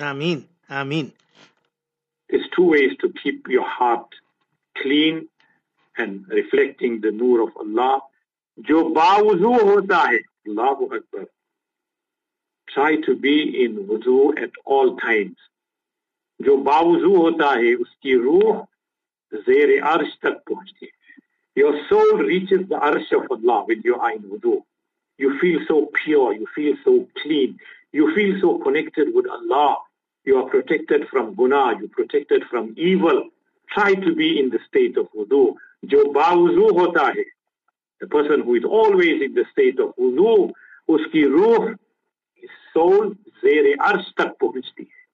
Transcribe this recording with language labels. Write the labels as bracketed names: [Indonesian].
[English] Ameen. Ameen. There's two ways to keep your heart clean and reflecting the nur of Allah. [Urdu] جو باوضو ہوتا ہے. Allahu Akbar. [English] Try to be in wudu at all times. [Urdu] جو باوضو ہوتا ہے اس کی روح Zere arsh tak pohunchti. [English] Your soul reaches the arsh of Allah when you are in wudu. You feel so pure, you feel so clean, you feel so connected with Allah. You are protected from guna, you are protected from evil. Try to be in the state of wudu. [Urdu] Jo ba wudu hota hai, [English] the person who is always in the state of wudu, [Urdu] uski ruh, [English] his soul, [Urdu] zere arsh tak pohunchti.